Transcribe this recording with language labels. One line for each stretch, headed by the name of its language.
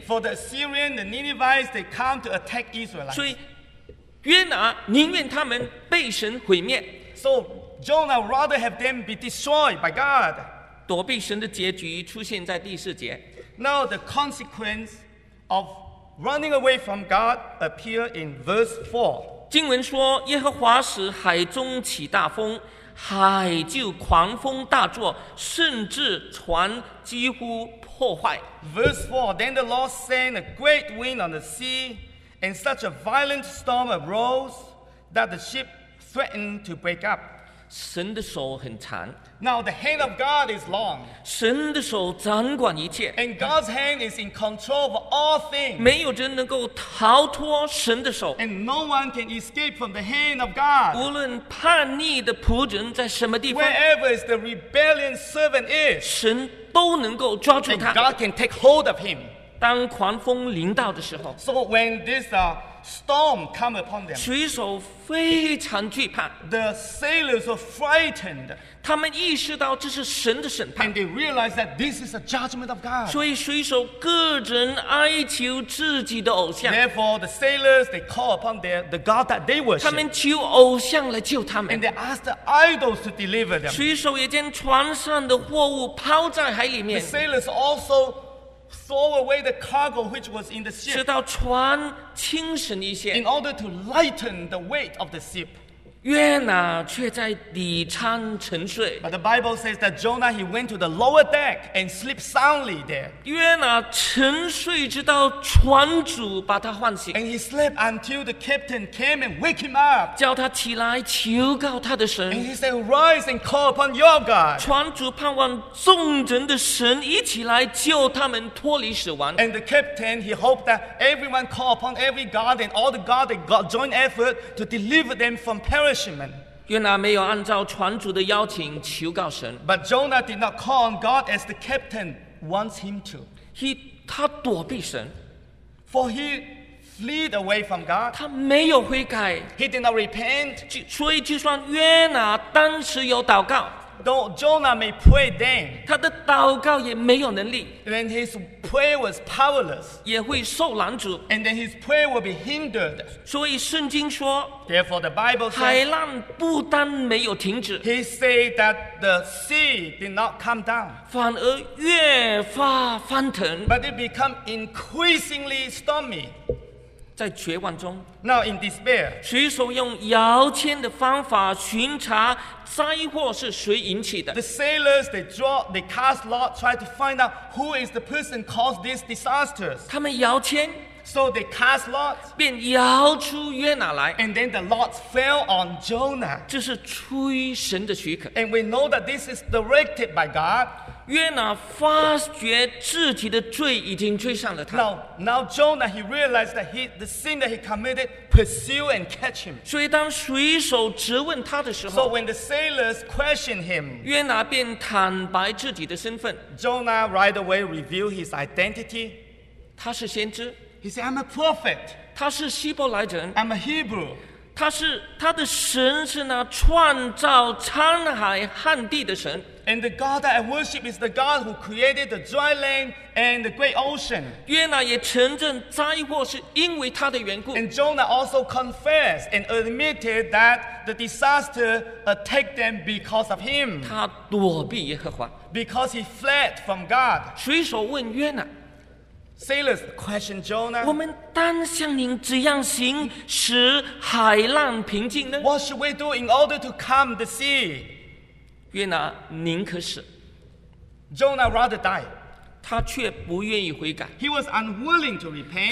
English: For the Assyrian, the Ninevites, they come to attack Israelites.
Chinese: 所以约拿宁愿他们被神毁灭.
English: So Jonah rather have them be destroyed by God.
Chinese: 躲避神的结局出现在第四节.
English: Now the consequence of running away from God appear in verse 4.
Chinese: 经文说,耶和华使海中起大风,海就狂风大作,甚至船几乎破坏.
English: Verse 4, then the Lord sent a great wind on the sea, and such a violent storm arose that the ship threatened to break up.
Chinese: 神的手很长.
English: Now the hand of God is long.
Chinese: 神的手掌管一切.
English: And God's hand is in control of all things.
Chinese: 没有人能够逃脱神的手.
English: And no one can escape from the hand of God.
Chinese: 无论叛逆的仆人在什么地方,
English: wherever is the rebellious servant is,
Chinese: 神都能够抓住他.
English: And God can take hold of him.
Chinese: 当狂风临到的时候
English: ，So when this storm come upon them，
Chinese: 水手非常惧怕
English: ，The sailors were frightened。
Chinese: 他们意识到这是神的审判
English: ，And they realize that this is a judgment of God。
Chinese: 所以水手个人哀求自己的偶像
English: ，Therefore the sailors they call upon the God that they worship。
Chinese: 他们求偶像来救他们
English: ，And they ask the idols to deliver them。
Chinese: 水手也将船上的货物抛在海里面
English: ，The sailors also。 Throw away the cargo which was in the ship，
Chinese: 直到船轻省一些。
English: In order to lighten the weight of the ship，
Chinese: 约拿却在底舱沉睡。
English: But the Bible says that Jonah he went to the lower deck and slept soundly there。
Chinese: 约拿沉睡直到船主把他唤醒。
English: And he slept until the captain came and woke him up，
Chinese: 叫他起来求告他的神。
English: And he said rise and call upon your God。
Chinese: 船主盼望众人的神一起来救他们脱离死亡。
English: And the captain he hoped that everyone call upon every God and all the God that got joint effort to deliver them from perishment。
Chinese: 约拿没有按照船主的邀请求告神。
English: But Jonah did not call on God as the captain wants him to。
Chinese: 他躲避神。
English: For he fled away from God。
Chinese: 他没有悔改。
English: He did not repent。
Chinese: 所以就算约拿当时有祷告。
English: Though Jonah may pray then，
Chinese: 他的祷告也没有能力。
English: Then his prayer was powerless，
Chinese: 也会受拦阻。
English: And then his prayer will be hindered。
Chinese: 所以圣经说
English: ，Therefore the Bible says，
Chinese: 海浪不单没有停止。
English: He said that the sea did not come down，
Chinese: 反而越发翻腾。
English: But it became increasingly stormy。
Chinese: 在绝望中
English: ，Now in despair，
Chinese: 水手用摇签的方法巡查灾祸是谁引起的。
English: The sailors they cast lot try to find out who is the person caused these disasters。
Chinese: 他们摇签
English: ，So they cast lot，
Chinese: 便摇出约拿来。
English: And then the lot fell on Jonah。
Chinese: 这是出于神的许可。
English: And we know that this is directed by God。
Chinese: 约拿发觉自己的罪已经追上了他。
English: Now Jonah he realized that the sin that he committed pursue and catch him。
Chinese: 所以当水手质问他的时候
English: ，So when the sailors question him，
Chinese: 约拿便坦白自己的身份。
English: Jonah right away reveal his identity。
Chinese: 他是先知。
English: He said I'm a prophet。
Chinese: 他是希伯来人。
English: I'm a Hebrew。
Chinese: 他的神是那创造沧海瀚地的神。
English: And the God that I worship is the God who created the dry land and the great ocean。
Chinese: 约拿也承认灾祸是因为他的缘故。
English: And Jonah also confessed and admitted that the disaster attacked them because of him。
Chinese: 他躲避耶和华。
English: Because he fled from God。
Chinese: 水手问约拿。
English: Sailors question Jonah。
Chinese: 我们当向您怎样行，使海浪平静呢
English: ？What should we do in order to calm the sea？
Chinese: 约拿宁可死
English: ，Jonah rather die，
Chinese: 他却不愿意悔改。
English: He was unwilling to repent。